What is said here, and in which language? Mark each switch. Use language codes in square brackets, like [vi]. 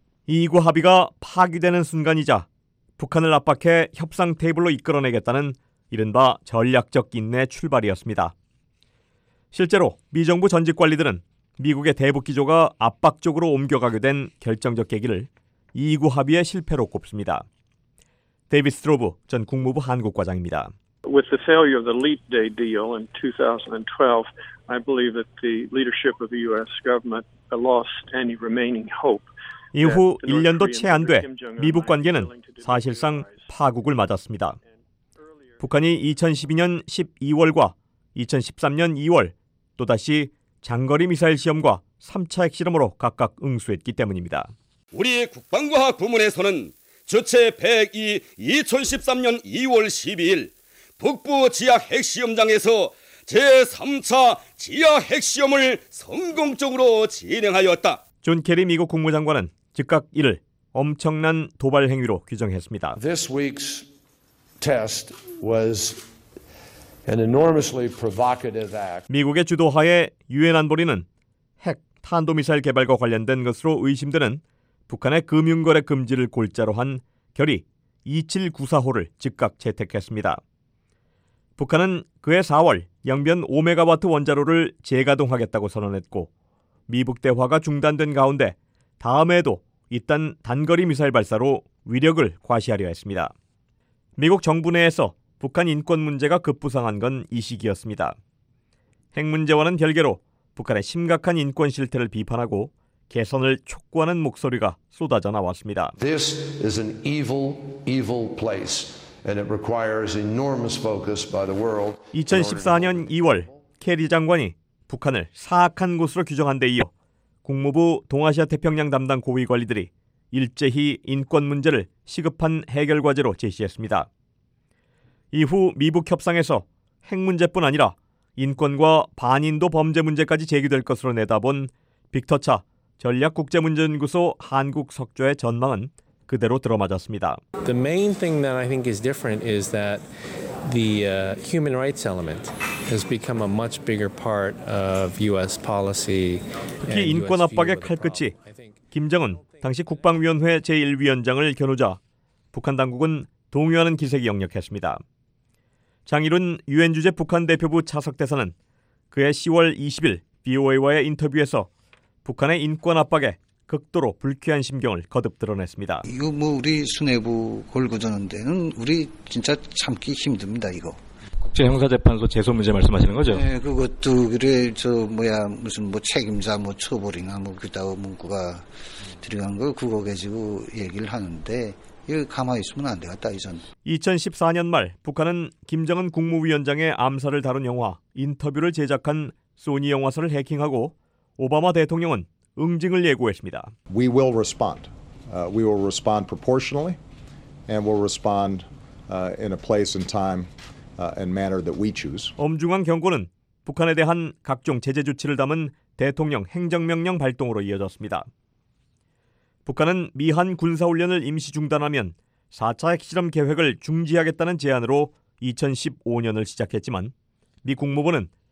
[ko] 2구 합의가 파기되는 순간이자 북한을 압박해 협상 테이블로 이끌어내겠다는 이른바 전략적 인내 출발이었습니다. 실제로 미정부 전직 관리들은 미국의 대북 기조가 압박 쪽으로 옮겨가게 된 결정적 계기를 2구 합의의 실패로 꼽습니다. 데이비드 스트로브 전 국무부 한국 과장입니다. [en] With the failure of the Leap Day deal in 2012, I believe that the leadership of the US government lost any remaining hope. [ko] 이후 1년도 채 안 돼 미북 관계는 사실상 파국을 맞았습니다. 북한이 2012년 12월과 2013년 2월 또다시 장거리 미사일 시험과 3차 핵실험으로 각각 응수했기 때문입니다. 우리 국방과학 부문에서는 주체 102 2013년 2월 12일 북부 지하 핵시험장에서 제3차 지하 핵시험을 성공적으로 진행하였다. 존 케리 미국 국무장관은 즉각 이를 엄청난 도발 행위로 규정했습니다. [en] This week's test was an enormously provocative act. [ko] 미국의 주도하에 유엔 안보리는 핵 탄도미사일 개발과 관련된 것으로 의심되는 북한의 금융거래 금지를 골자로 한 결의 2794호를 즉각 채택했습니다. 북한은 그해 4월 영변 5메가와트 원자로를 재가동하겠다고 선언했고 미북 대화가 중단된 가운데 다음에도 이딴 단거리 미사일 발사로 위력을 과시하려 했습니다. 미국 정부 내에서 북한 인권 문제가 급부상한 건 이 시기였습니다. 핵 문제와는 별개로 북한의 심각한 인권 실태를 비판하고 개선을 촉구하는 목소리가 쏟아져 나왔습니다. [en] This is an evil, evil place. And it requires enormous focus by the world. [ko] 2014년 2월 케리 장관이 북한을 사악한 곳으로 규정한 데 이어 국무부 동아시아 태평양 담당 고위 관리들이 일제히 인권 문제를 시급한 해결 과제로 제시했습니다. 이후 미북 협상에서 핵 문제뿐 아니라 인권과 반인도 범죄 문제까지 제기될 것으로 내다본 빅터 차 전략국제문제연구소 한국 석좌의 전망은 그대로 들어맞았습니다. [en] The main thing that I think is different is that the human rights element has become a much bigger part of U.S. policy. [ko] 특히 인권 압박의 칼끝이 김정은 당시 국방위원회 제1위원장을 겨누자 북한 당국은 동요하는 기색이 역력했습니다. 장일훈 유엔 주재 북한 대표부 차석 대사는 그해 10월 20일 BOA와의 인터뷰에서 북한의 인권 압박에 극도로 불쾌한 심경을 거듭 드러냈습니다. 이거 뭐 우리 수뇌부 골고드는 데는 우리 진짜 참기 힘듭니다. 이거 국제 형사재판소 제소 문제 말씀하시는 거죠? 네, 그것도 그래 저 뭐야 무슨 뭐 책임자 뭐 처벌이나 뭐 그다오 문구가 들어간 거 그거 가지고 얘기를 하는데 이거 가만히 있으면 안 되겠다 이전. 2014년 말 북한은 김정은 국무위원장의 암살을 다룬 영화 인터뷰를 제작한 소니 영화사를 해킹하고 오바마 대통령은 응징을 예고했습니다. [en] We will respond. We will respond proportionally and we'll respond in a place and time and manner that we choose. [ko] 엄중한 경고는 북한에 대한 각종 제재 조치를 담은 대통령 행정명령 발동으로 이어졌습니다. 북한은 미한 군사 훈련을 임시 중단하면 4차 핵실험 계획을 중지하겠다는 제안으로 2015년을 시작했지만 미 국무부는